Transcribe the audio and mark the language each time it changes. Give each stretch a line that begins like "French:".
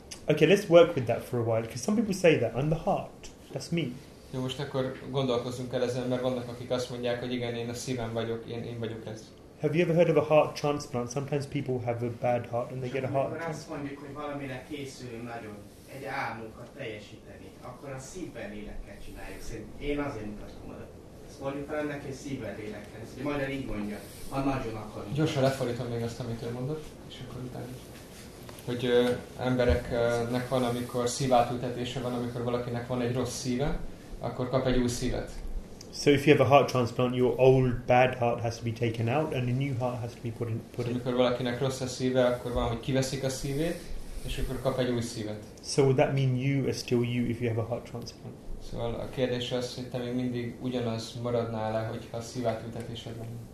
English: Okay, let's work with that for a while, because some people say that, I'm the heart, that's me.
Hungarian: Jó, most akkor gondolkozzunk el ezen, mert vannak, akik azt mondják, hogy igen, én a szívem vagyok, én vagyok ez.
English: Have you ever heard of a heart transplant? Sometimes people have a bad heart and they get a heart transplant.
Hungarian: Amikor azt mondjuk, hogy valamire készülünk nagyon, egy álmunkat teljesíteni, akkor a szívben lélekkel csináljuk. Szerintem én azért mutatom oda. Ezt mondjuk fel ennek, hogy szívben lélekkel. Magyar így mondja, ha nagyon akarunk. Gyorsan lefordítom még azt, amit ő mondott, és akkor utána. Hogy embereknek van, amikor szívátültetése van, amikor valakinek van egy rossz szíve, akkor kap egy új szívet.
English: So if you have a heart transplant, your old bad heart has to be taken out and a new heart has to be put in.
Hungarian: Amikor valakinek rossz a szíve, akkor van, hogy kiveszik a szívét, és akkor kap egy új szívet.
English: So would that mean you are still you if you have a heart transplant?
Hungarian: Szóval a kérdés az, hogy te még mindig ugyanaz maradnál-e, hogyha a szívátültetésed van?